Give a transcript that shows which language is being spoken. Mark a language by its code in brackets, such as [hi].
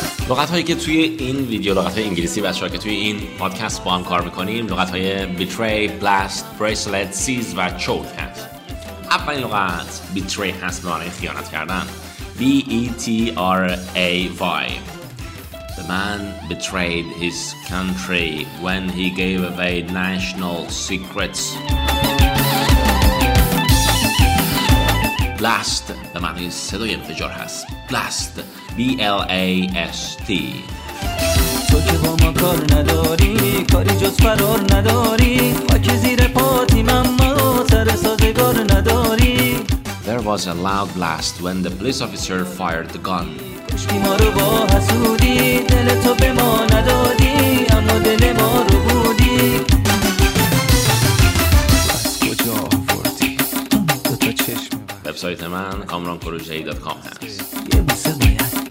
[fa] لغت هایی که توی این ویدیو، لغت های انگلیسی بچه‌ها که توی این پادکست با هم کار میکنیم، لغت های betray, blast, bracelet, seize و choke هست. اولین لغت betray هست، به معنی خیانت کردن. [en] BETRAY. The man betrayed his country when he gave away national secrets. [fa] Blast به معنی صدای انفجار هست. [en] Blast. BLAST. [fa] تو که با ما کار نداری، کاری جز فرار نداری، و که زیر پاتی من ما سر سازگار نداری. [en] There was a loud blast when the police officer fired the gun. [fa] کشتی ما رو با حسودی، دل تو به ما ندادی، اما دل ما رو بودی. کجا آوردی دو تا چشم من؟ وبسایت من kamrankorojdahi.com هست.